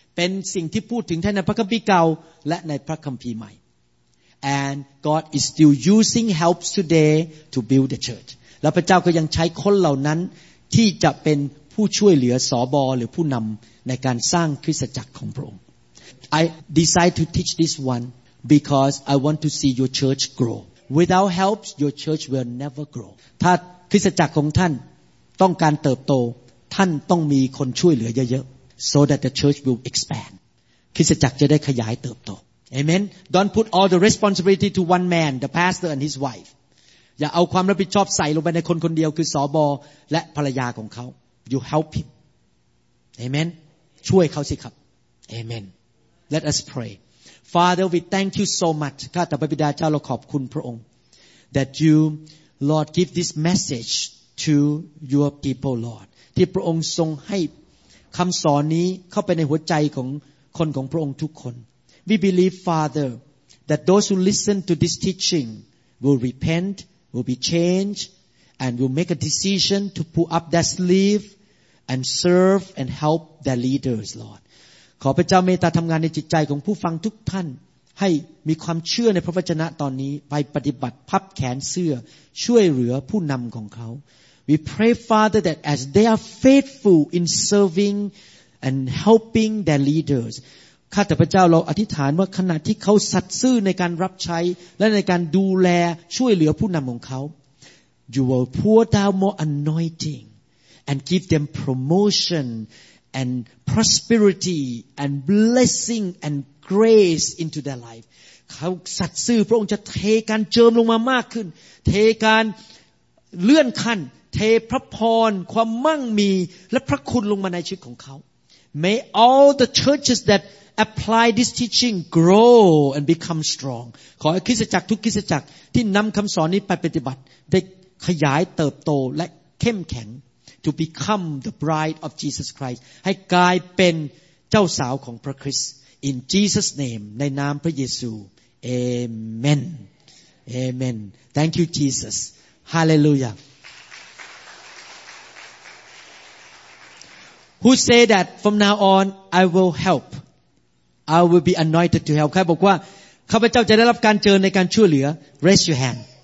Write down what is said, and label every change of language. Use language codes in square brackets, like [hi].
[th] เป็นสิ่งที่พูดถึงทั้งในพระคัมภีร์เก่าและในพระคัมภีร์ใหม่ [en] And God is still using helps today to build the church. [th] และพระเจ้าก็ยังใช้คนเหล่านั้นที่จะเป็นผู้ช่วยเหลือสบหรือผู้นำในการสร้างคริสตจักรของพระองค์ [en] I decide to teach this one because I want to see your church grow. Without help, your church will never grow. [th] ถ้าคริสตจักรของท่านต้องการเติบโตท่านต้องมีคนช่วยเหลือเยอะๆ [en] so that the church will expand. [th] คริสตจักรจะได้ขยายเติบโต Amen. [en] Don't put all the responsibility to one man, the pastor and his wife. [th] อย่าเอาความรับผิดชอบใส่ลงไปในคนคนเดียวคือสบและภรรยาของเขา [en] You help him. [th] Amen. ช่วยเขาสิครับ Amen. [en] Let us pray. Father, we thank you so much. [th] ข้าแต่พระบิดาเจ้าเราขอบคุณพระองค์ [en] that you, Lord, give this message to your people, Lord. [th] ที่พระองค์ทรงให้คำสอนนี้เข้าไปในหัวใจของคนของพระองค์ทุกคน [en] We believe, Father, that those who listen to this teaching will repent, will be changed, and will make a decision to pull up their sleeveAnd serve and help their leaders, Lord. [th] ขอพระเจ้าเมตตาทำงานในจิตใจของผู้ฟังทุกท่านให้มีความเชื่อในพระวจนะตอนนี้ไปปฏิบัติพับแขนเสื้อช่วยเหลือผู้นำของเขา [en] We pray, Father, that as they are faithful in serving and helping their leaders, [th] ข้าแต่พระเจ้าเราอธิษฐานว่าขณะที่เขาสัตย์ซื่อในการรับใช้และในการดูแลช่วยเหลือผู้นำของเขา [en] You will pour down more anointing. And give them promotion and prosperity and blessing and grace into their life. [th] เขาสัตย์ซื่อพระองค์จะเทการเจิมลงมามากขึ้นเทการเลื่อนขั้นเทพระพรความมั่งมีและพระคุณลงมาในชีวิตของเขา [en] May all the churches that apply this teaching grow and become strong. [th] ขอคริสตจักรทุกคริสตจักรที่นำคำสอนนี้ไปปฏิบัติได้ขยายเติบโตและเข้มแข็ง [en] To become the bride of Jesus Christ, [th] ให้กลายเป็นเจ้าสาวของพระคริสต์ [en] in Jesus' name, [th] ในนามพระเยซู Amen, Amen. [en] Thank you, Jesus. Hallelujah. Who say that from now on I will help? I will be anointed to help. [th] ใครบอกว่าข้าพเจ้าจะได้รับการเจิมในการช่วยเหลือ [en] Raise your hand.